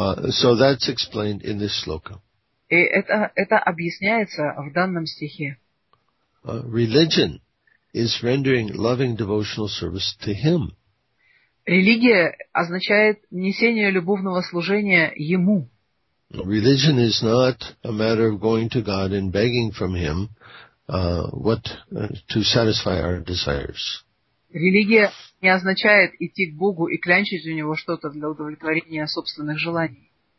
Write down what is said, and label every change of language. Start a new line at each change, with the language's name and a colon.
English: So that's explained in this sloka.
Russian: И это объясняется в данном стихе.
English: Religion is rendering loving devotional service to him.
Russian: Религия означает несение любовного служения ему.
English: Religion is not a matter of going to God and begging from him what to satisfy our desires.
Russian: Религия не означает идти к Богу и клянчить у него что-то для удовлетворения собственных желаний.